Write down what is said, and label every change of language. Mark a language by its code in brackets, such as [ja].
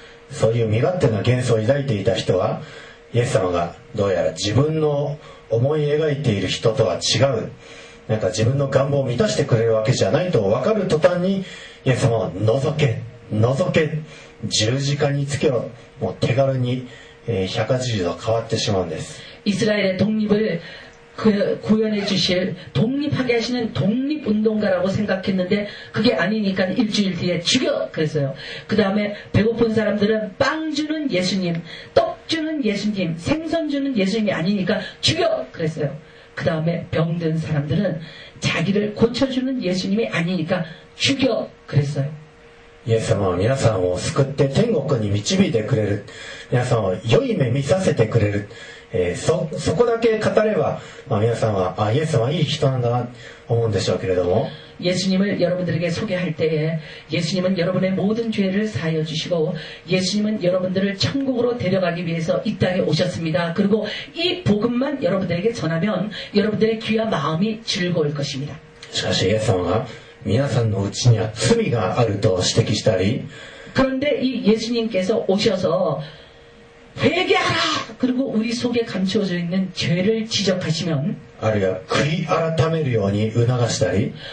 [ja] そういう身勝手な幻想を抱いていた人はイエス様がどうやら自分の思い描いている人とは違うなんか自分の願望を満たしてくれるわけじゃないと分かる途端にイエス様は覗け覗け十字架につけろもう手軽に180度変わってしまうんです。イスラエル独立を [ko] 구현해 주실 독립하게 하시는 독립운동가라고 생각했는데 그게 아니니까 일주일 뒤에 죽여 그랬어요. 그 다음에 배고픈 사람들은 빵 주는 예수님, 떡 주는 예수님, 생선 주는 예수님이 아니니까 죽여 그랬어요. 그 다음에 병든 사람들은 자기를 고쳐주는 예수님이 아니니까 죽여 그랬어요. 예수님은 여러분을 [ja] 救 って [ko] 천국에 [ja] 導いて くれる [ko] 여러분을 [ja] 良い 目 見させて くれる そこだけ 語れば 皆さんは イエス様 いい人なんだ 思うんでしょうけれども [ko] イエス님을 여러분들에게 소개할 때에 예수님은 여러분의 모든 죄를 사하여 주시고 예수님은 여러분들을 천국으로 데려가기 위해서 이 땅에 오셨습니다. 그리고 이 복음만 여러분들에게 전하면 여러분들의 귀와 마음이 즐거울 것입니다. [ja] しかし 예수님은 皆さんのうちには罪があると指摘したり、 [ko] 그런데이예수님께서오셔서회개하라그리고우리속에감춰져있는죄를지적하시면 아니야 [ja] 悔い改めるように促したり